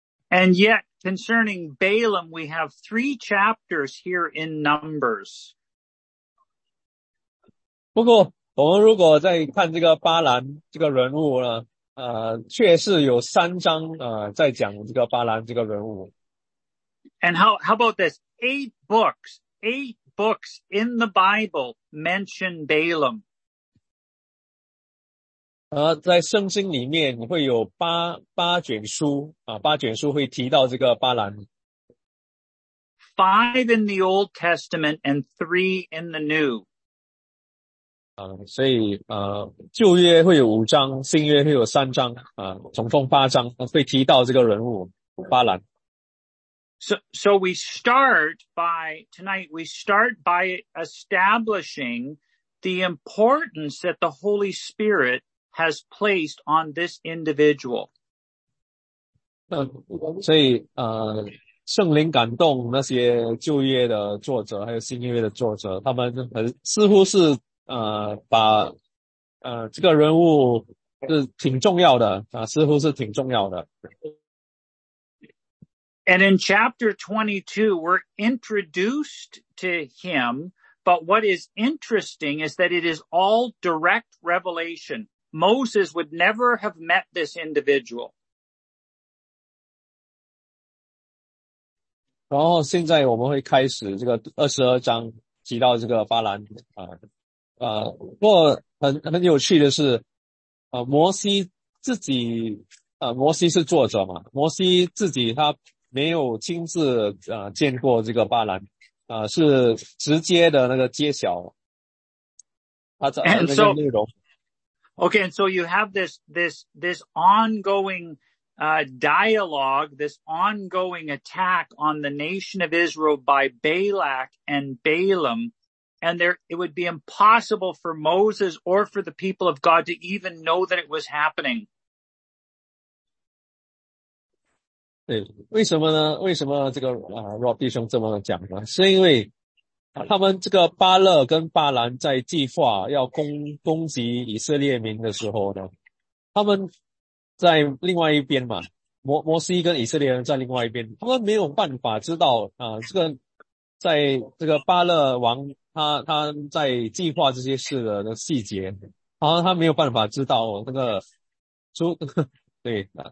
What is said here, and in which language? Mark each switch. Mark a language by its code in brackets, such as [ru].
[en] And yet, concerning Balaam, we have 3 chapters here in Numbers. [zh] 不过我们如果在看这个巴兰这个人物呢，确实有3章在讲这个巴兰这个人物。 [en] And how about this? 8 books in the Bible mention Balaam. [zh] 在圣经里面会有八卷书会提到这个巴兰。 [en] 5 in the Old Testament and 3 in the New. [zh] 所以旧约会有5章，新约会有3章总共8章会提到这个人物巴兰。 [en] So we start by, tonight we start by establishing the importance that the Holy Spirit has placed on this individual. [zh] 所以圣灵感动那些旧约的作者还有新约的作者，他们似乎是把这个人物是挺重要的似乎是挺重要的。 [en] And in chapter 22, we're introduced to him, but what is interesting is that it is all direct revelation. Moses would never have met this individual. [zh] 然后现在我们会开始这个22章提到这个巴兰。不过很有趣的是摩西是作者嘛，摩西自己他没有亲自见过这个巴兰是直接的那个揭晓他的那个内容。 [en] Okay, and so you have this ongoing dialogue, this ongoing attack on the nation of Israel by Balak and Balaam, and it would be impossible for Moses or for the people of God to even know that it was happening. [zh] 对，为什么这个Rob 弟兄这么讲呢？是因为他们这个巴勒跟巴兰在计划要攻击以色列民的时候呢，他们在另外一边嘛，摩西跟以色列人在另外一边，他们没有办法知道这个在这个巴勒王他在计划这些事的细节，然后他没有办法知道那个出对